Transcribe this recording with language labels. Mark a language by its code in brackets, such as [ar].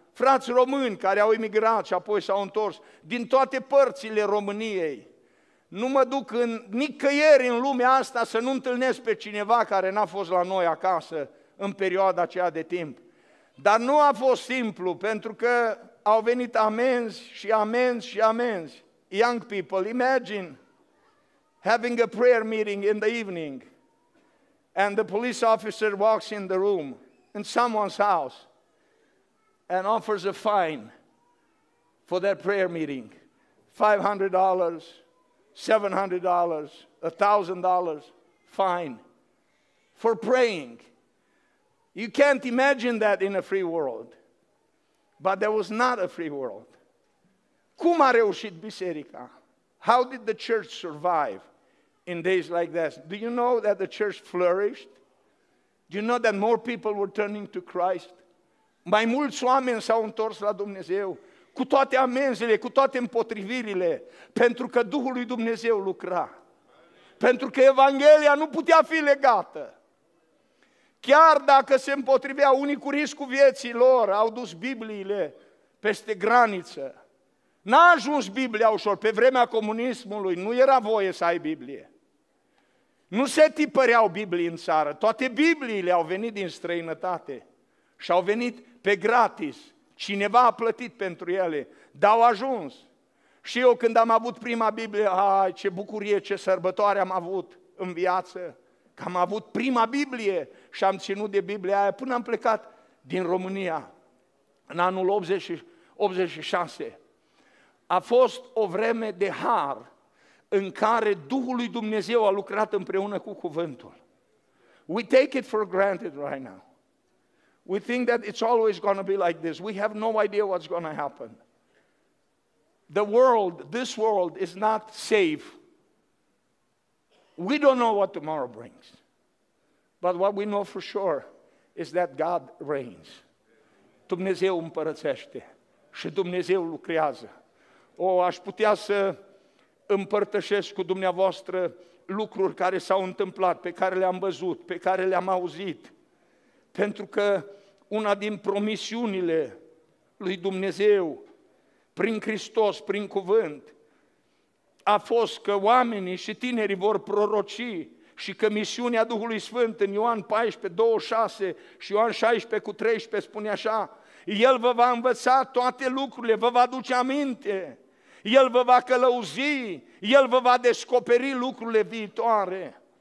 [ro] Frați români care au emigrat și apoi s-au întors din toate părțile României. Nu mă duc nicăieri în lumea asta să nu întâlnesc pe cineva care n-a fost la noi acasă în perioada aceea de timp. Dar nu a fost simplu, pentru că au venit amenzi și amenzi și amenzi. [en] Young people, imagine having a prayer meeting in the evening and the police officer walks in the room in someone's house and offers a fine for that prayer meeting. $500, $700, $1,000 fine for praying. You can't imagine that in a free world. But there was not a free world. [ro] Cum a reușit biserica? [en] How did the church survive in days like this? Do you know that the church flourished? Do you know that more people were turning to Christ? [ro] Mai mulți oameni s-au întors la Dumnezeu, cu toate amenzile, cu toate împotrivirile, pentru că Duhul lui Dumnezeu lucra. Pentru că Evanghelia nu putea fi legată. Chiar dacă se împotrivea, unii cu riscul vieții lor au dus Bibliile peste graniță. N-a ajuns Biblia ușor, pe vremea comunismului nu era voie să ai Biblie. Nu se tipăreau Biblii în țară, toate Bibliile au venit din străinătate. Și au venit pe gratis, cineva a plătit pentru ele, dar au ajuns. Și eu când am avut prima Biblie, ai, ce bucurie, ce sărbătoare am avut în viață, că am avut prima Biblie și am ținut de Biblia aia până am plecat din România, în anul 86. A fost o vreme de har în care Duhul lui Dumnezeu a lucrat împreună cu Cuvântul. [en] We take it for granted right now. We think that it's always going to be like this. We have no idea what's going to happen. The world, this world is not safe. We don't know what tomorrow brings. But what we know for sure is that God reigns. [ro] Dumnezeu împărățește și Dumnezeu lucrează. O, aș putea să împărtășesc cu dumneavoastră lucruri care s-au întâmplat, pe care le-am văzut, pe care le-am auzit. Pentru că una din promisiunile lui Dumnezeu, prin Hristos, prin cuvânt, a fost că oamenii și tinerii vor proroci și că misiunea Duhului Sfânt în Ioan 14:26 și Ioan 16:13 spune așa: El vă va învăța toate lucrurile, vă va aduce aminte, El vă va călăuzi, El vă va descoperi lucrurile viitoare.